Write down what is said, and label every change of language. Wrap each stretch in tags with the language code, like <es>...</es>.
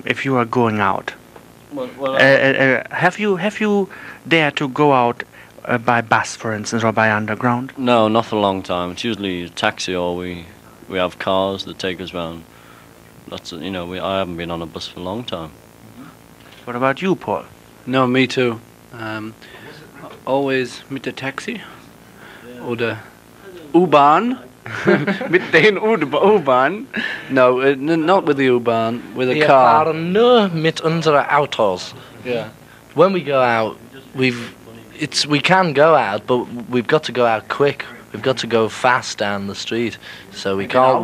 <en>If you are going out, have you dared to go out by bus, for instance, or by underground? No, not for a long time. It's usually a taxi, or we have cars that take us round. Lots of, you know, I haven't been on a bus for a long time. Mm-hmm. What about you, Paul? No, me too. Always</en> <de>mit der Taxi, yeah, oder U-Bahn. Mit den U-Bahn?</de> <en>No, not with the U-Bahn, with a</en> <de>wir</de> <en>car.</en> <de>Wir fahren nur mit unseren Autos.</de> <en>Yeah. When we go out, we can go out, but we've got to go out quick. We've got to go fast down the street, so we can't.</en>